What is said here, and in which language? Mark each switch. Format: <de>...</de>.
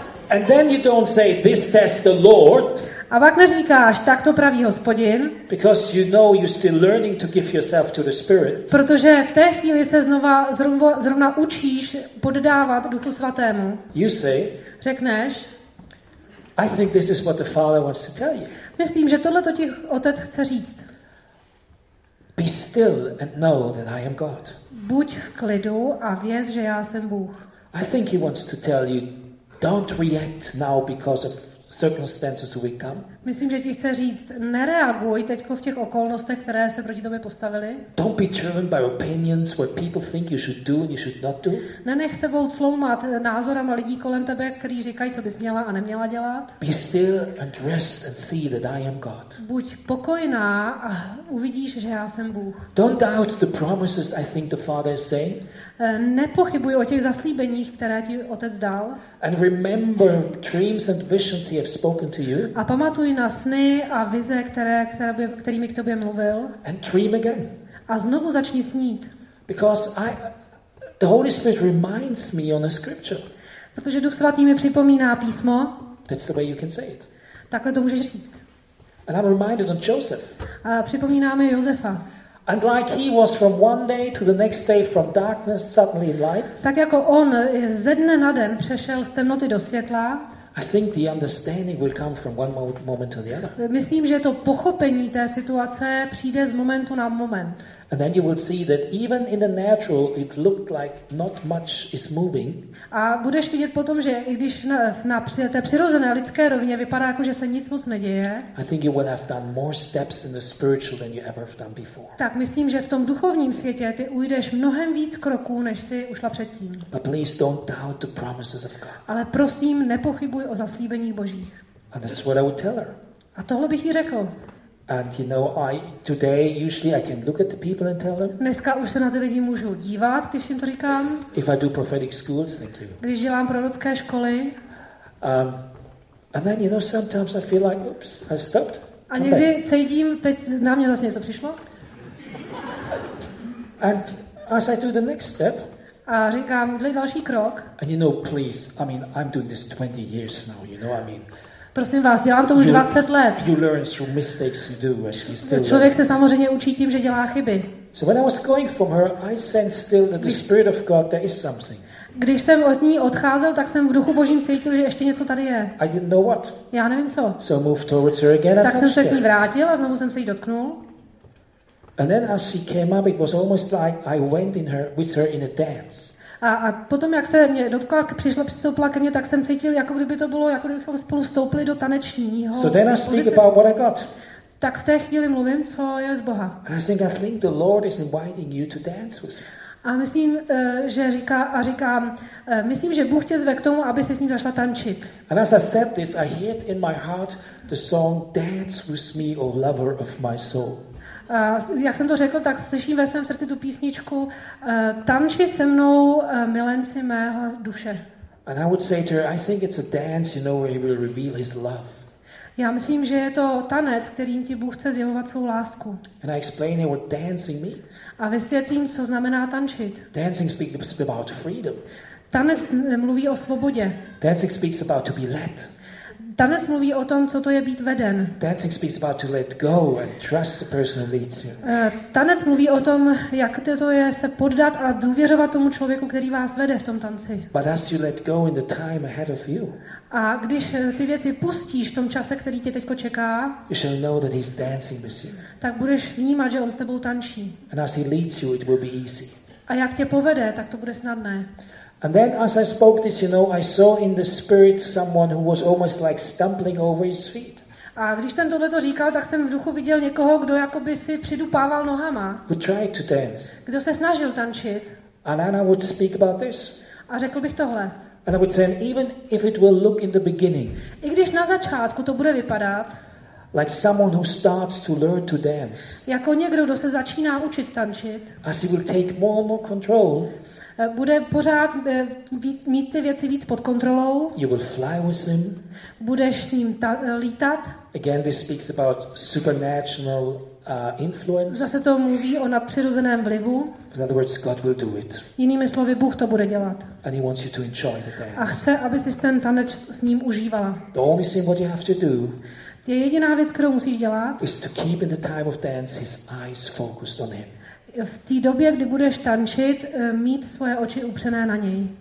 <en>And then you don't say this says the Lord.</en> <cs>A pak neříkáš, tak to praví Hospodin.</cs> <en>Because you know you're still learning to give yourself to the Spirit.</en> <cs>Protože v té chvíli se znova zrovna učíš poddávat Duchu Svatému.</cs> <en>You say.</en> <cs>Řekneš.</cs> <en>I think this is what the Father wants to tell you.</en> <cs>Myslím, že tohle to ti Otec chce říct.</cs> <en>Be still and know that I am God.</en> <cs>Buď v klidu a věz, že já jsem Bůh.</cs> <en>I think he wants to tell you, don't react now because of circumstances we come.</en> <cs>Myslím, že ti chce říct, nereaguj teďko v těch okolnostech, které se proti tobě postavily.</cs> <en>Don't be driven by opinions what people think you should do and you should not do.</en> <cs>Nenech sebou cloumat názorama lidí kolem tebe, kteří říkají, co bys měla a neměla dělat.</cs> <en>Be still and rest and see that I am God.</en> <cs>Buď pokojná a uvidíš, že já jsem Bůh.</cs> <en>Don't doubt the promises I think the Father is saying.</en> <cs>Nepochybuj o těch zaslíbeních, které ti Otec dal.</cs> <en>And remember dreams and visions he has spoken to you.</en> <cs>A pamatuj na sny a vize, kterými k tobě mluvil.</cs> <en>And dream again.</en> <cs>A znovu začni snít.</cs> <en>Because the Holy Spirit reminds me on a scripture.</en> <cs>Protože Duch Svatý mi připomíná písmo.</cs> <en>That's the way you can say it.</en> <cs>Takhle to můžeš říct.</cs> <en>And I'm reminded on Joseph.</en> <cs>A připomíná mi Josefa.</cs> <en>And like he was from one day to the next day from darkness suddenly light.</en> <cs>Tak jako on ze dne na den přešel z temnoty do světla.</cs> <en>I think the understanding will come from one moment to the other.</en> <cs>Myslím, že to pochopení té situace přijde z momentu na moment.</cs> <en>And then you will see that even in the natural it looked like not much is moving.</en> <cs>A budeš vidět potom, že i když na té přirozené lidské rovině vypadá jako, že se nic moc neděje.</cs> <en>I think you will have done more steps in the spiritual than you ever have done before.</en> <cs>Tak myslím, že v tom duchovním světě ty ujdeš mnohem víc kroků, než jsi ušla předtím.</cs> <en>But please don't doubt the promises of God.</en> <cs>Ale prosím, nepochybuj o zaslíbeních Božích.</cs> <en>And this is what I would tell her.</en> <cs>A tohle bych jí řekl.</cs> <en>And you know, I today usually I can look at the people and tell them.</en> <cs>Dneska už se na ty lidi můžu dívat, když jim to říkám.</cs> <en>If I do prophetic schools, thank you.</en> <cs>Když dělám prorocké školy.</cs> <en>And then you know, sometimes I feel like, oops, I stopped.</en> <cs>A někdy cítím, teď na mě zase něco přišlo.</cs> <en>And as I do the next step.</en> <cs>A říkám, dej další krok.</cs> <en>And you know, please, I mean, I'm doing this 20 years now. You know, I mean.</en> <cs>Prosím vás, dělám to už 20 let.</cs> <en>You learn through mistakes you do, as you still.</en> <cs>Člověk se samozřejmě učí tím, že dělá chyby.</cs> <en>So when I was going from her, I sensed still that the spirit of God there is something.</en> <cs>Když jsem od ní odcházel, tak jsem v duchu Božím cítil, že ještě něco tady je.</cs> <en>I didn't know what.</en> <cs>Já nevím co.</cs> <en>So moved towards her again.</en> <cs>Tak jsem se k ní vrátil a znovu jsem se jí dotknul.</cs> <en>And then as she came up, it was almost like I went in her with her in a dance.</en> <cs>A potom, jak se mě dotkla, přišla, přistoupila ke mně, tak jsem cítil, jako kdyby to bylo, jako kdybychom spolu stoupili do tanečního.</cs> <en>So then I speak about what I got.</en> <cs>Tak v té chvíli mluvím, co je z Boha.</cs> <en>I think the Lord is inviting you to dance with.</en> <cs>A myslím, že říká, a říkám, myslím, že Bůh tě zve k tomu, aby se s ním zašla tančit.</cs> <en>And as I said this, I heard in my heart the song Dance with me, O lover of my soul.</en> <cs>A jak jsem to řekl, tak slyším ve svém srdci tu písničku Tanči se mnou, milenci mého duše.</cs> <en>And I would say to her, I think it's a dance, you know, where he will reveal his love.</en> <cs>Já myslím, že je to tanec, kterým ti Bůh chce zjevovat svou lásku.</cs> <en>And I explain what dancing means.</en> <cs>A vysvětlím, co znamená tančit.</cs> <en>Dancing speaks about freedom.</en> <cs>Tanec mluví o svobodě.</cs> <en>Dancing speaks about to be led.</en> <cs>Tanec mluví o tom, co to je být veden.</cs> <en>Dancing speaks about to let go and trust the person who leads you.</en> <cs>Tanec mluví o tom, jak to je se poddat a důvěřovat tomu člověku, který vás vede v tom tanci.</cs> <en>But as you let go in the time ahead of you.</en> <cs>A když ty věci pustíš v tom čase, který tě teďko čeká.</cs> <en>You shall know that he's dancing with you.</en> <cs>Tak budeš vnímat, že on s tebou tančí.</cs> <en>And as he leads you, it will be easy.</en> <cs>A jak tě povede, tak to bude snadné.</cs> <en>And then as I spoke this, you know, I saw in the spirit someone who was almost like stumbling over his feet.</en> <cs>A když jsem tohleto říkal, tak jsem v duchu viděl někoho, kdo jakoby si přidupával nohama.</cs> <en>Who tried to dance.</en> <cs>Kdo se snažil tančit.</cs> <en>And then I would speak about this.</en> <cs>A řekl bych tohle.</cs> <en>And I would say, even if it will look in the beginning.</en> <cs>I když na začátku to bude vypadat.</cs> <en>Like someone who starts to learn to dance.</en> <cs>Jako někdo, kdo se začíná učit tančit.</cs> <en>As he will take more and more control.</en> <cs>Bude pořád mít ty věci víc pod kontrolou.</cs> <en>You will fly with him.</en> <cs>Budeš s ním lítat.</cs> <en>Again, this speaks about supernatural influence.</en> <cs>Zase to mluví o nadpřirozeném vlivu.</cs> <en>In other words, God will do it.</en> <cs>Jinými slovy, Bůh to bude dělat.</cs> <en>And he wants you to enjoy the dance.</en> <cs>A chce, aby jsi ten tanec s ním užívala.</cs> <en>The only thing what you have to do.</en> <cs>Je jediná věc, kterou musíš dělat.</cs> <en>Is to keep in the time of dance his eyes focused on him.</en> <cs>V té době, kdy budeš tančit, mít svoje oči upřené na něj.</cs>